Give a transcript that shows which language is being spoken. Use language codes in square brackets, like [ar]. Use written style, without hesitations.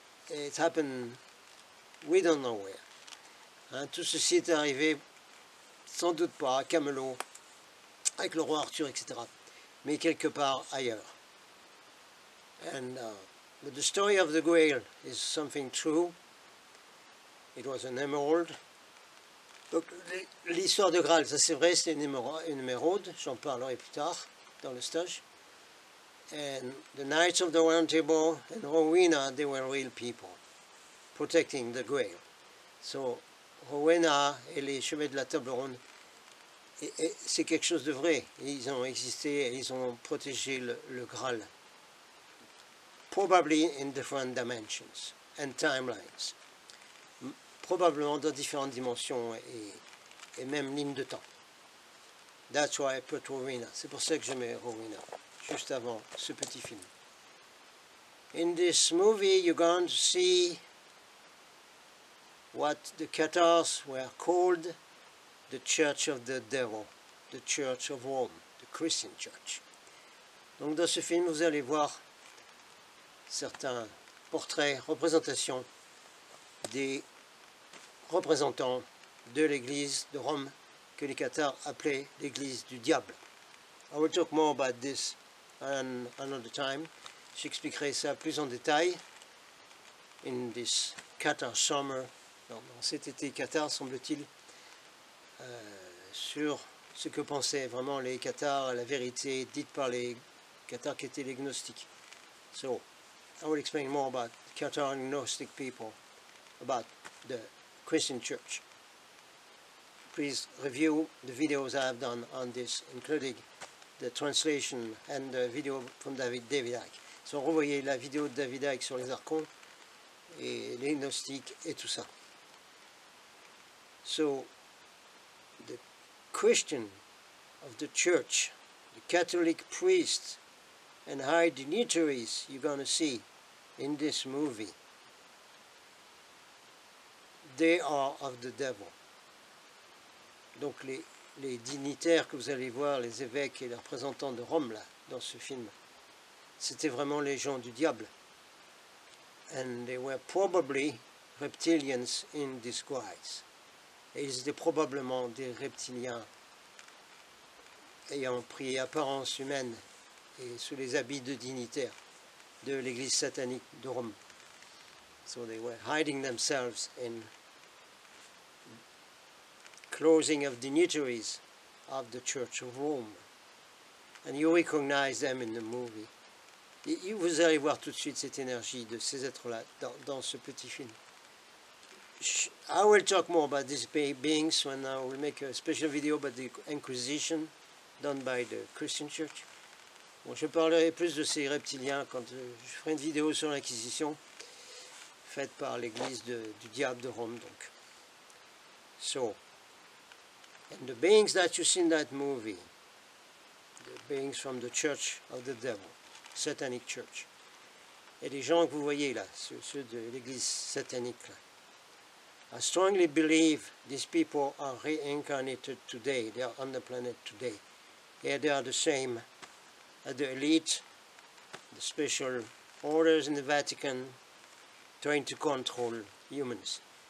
[en] It happened, we don't know where. [fr] Hein, tout ceci est arrivé, sans doute pas, à Camelot, avec le roi Arthur, etc. Mais quelque part ailleurs. [en] And but the story of the Grail is something true. It was an emerald. [fr] Donc l'histoire de Graal, ça c'est vrai, c'est une émeraude. J'en parlerai plus tard dans le stage. [en] And the Knights of the Round Table and Rowena, they were real people protecting the Grail. [fr] So Rowena et les chevaliers de la Table Ronde, et c'est quelque chose de vrai. Ils ont existé, ils ont protégé le Graal. [en] Probably in different dimensions and timelines. [fr] Probablement dans différentes dimensions et même lignes de temps. [en] That's why I put Rowena. [fr] C'est pour ça que je mets Rowena, juste avant ce petit film. [en] In this movie, you're going to see what the Cathars were called, the Church of the Devil, the Church of Rome, the Christian Church. [fr] Donc dans ce film, vous allez voir certains portraits, représentations des représentants de l'église de Rome que les Cathars appelaient l'église du diable. [en] I will talk more about this another time. [fr] J'expliquerai ça plus en détail [en] in this Cathar summer. [fr] Dans cet été Cathar, semble-t'il, sur ce que pensaient vraiment les Cathars, la vérité dite par les Cathars qui étaient les gnostiques. [en] So, I will explain more about Cathar and Gnostic people, about the Christian Church. Please review the videos I have done on this, including the translation and the video from David Icke. [fr] So, revoyez la vidéo de David Icke sur les archons et les gnostiques et tout ça. [en] So, the Christian of the Church, the Catholic priests and high dignitaries you're going to see in this movie, they are of the devil. [fr] Donc les dignitaires que vous allez voir, les évêques et les représentants de Rome là, dans ce film, c'était vraiment les gens du diable. [en] And they were probably reptilians in disguise. [fr] Et ils étaient probablement des reptiliens ayant pris apparence humaine et sous les habits de dignitaires de l'église satanique de Rome. [en] So they were hiding themselves in clothing of dignitaries of the Church of Rome. And you recognize them in the movie. [fr] Et vous allez voir tout de suite cette énergie de ces êtres-là dans ce petit film. [en] I will talk more about these beings when I will make a special video about the Inquisition done by the Christian Church. [fr] Bon, je parlerai plus de ces reptiliens quand je ferai une vidéo sur l'Inquisition faite par l'église du diable de Rome. Donc. [en] So, and the beings that you see in that movie, the beings from the Church of the Devil, Satanic Church, [fr] et les gens que vous voyez là, ceux de l'église satanique là. [en] I strongly believe these people are reincarnated today. They are on the planet today. Yeah, they are the same as the elite, the special orders in the Vatican, trying to control humans.